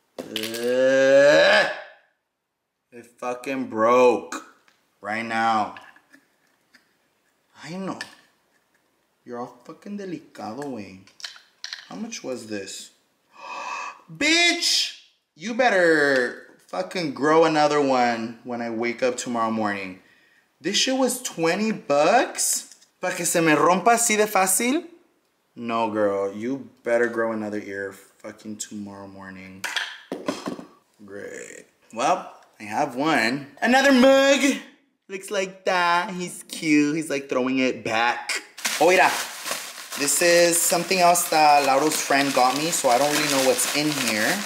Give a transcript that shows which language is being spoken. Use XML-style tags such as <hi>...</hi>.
<en>It fucking broke. Right now. I know. You're all fucking delicado, Wayne. How much was this? Bitch! You better fucking grow another one when I wake up tomorrow morning. This shit was 20 bucks?</en> <es>Pa que se me rompa así de fácil?</es> <en>No, girl. You better grow another ear fucking tomorrow morning. Great. Well, I have one. Another mug. Looks like that. He's cute. He's like throwing it back. Oh, yeah. This is something else that Lauro's friend got me, so I don't really know what's in here.</en>